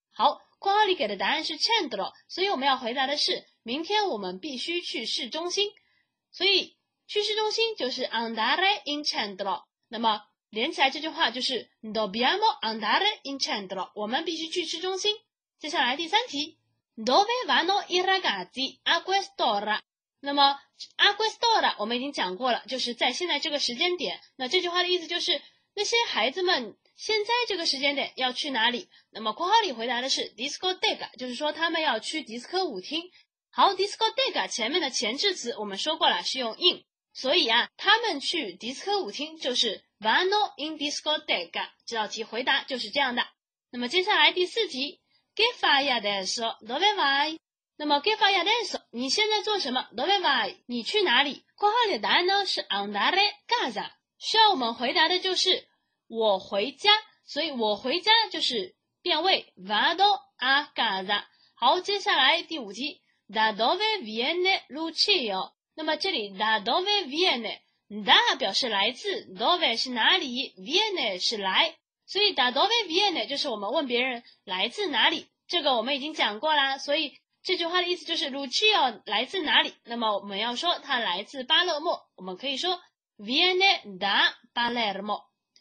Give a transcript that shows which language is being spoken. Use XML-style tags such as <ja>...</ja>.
<zh>好，括号里给的答案是 centro， 所以我们要回答的是明天我们必须去市中心，所以去市中心就是</zh> <it>andare in centro，</it> <zh>那么连起来这句话就是</zh> <it>dobbiamo andare in centro，</it> <zh>我们必须去市中心。接下来第三题，</zh> <it>dove vanno i ragazzi a quest'ora？</it> <zh>那么</zh> <it>a quest'ora</it> <zh>我们已经讲过了，就是在现在这个时间点，那这句话的意思就是那些孩子们现在这个时间点要去哪里，那么括号里回答的是 discoteca， 就是说他们要去迪斯科舞厅。好， discoteca 前面的前置词我们说过了是用 in， 所以啊他们去迪斯科舞厅就是</zh> <it>vanno in discoteca，</it> <zh>这道题回答就是这样的。那么接下来第四题，</zh> <it>che fai adesso dove vai？</it> <zh>那么</zh> <it>che fai adesso</it> <zh>你现在做什么，</zh> <it>dove vai</it> <zh>你去哪里，括号里的答案呢是</zh> <it>andare a casa，</it> <zh>需要我们回答的就是我回家，所以我回家就是变位</zh> <it>vado a casa。</it> <zh>好，接下来第五题，</zh> <it>da dove viene Lucio，</it> <zh>那么这里</zh> <it>da dove viene，</it> <zh>da 表示来自， dove 是哪里， viene 是来，所以 da dove viene 就是我们问别人来自哪里，这个我们已经讲过啦，所以这句话的意思就是 Lucio 来自哪里，那么我们要说他来自巴勒莫，我们可以说</zh> <it>viene da Palermo。</it>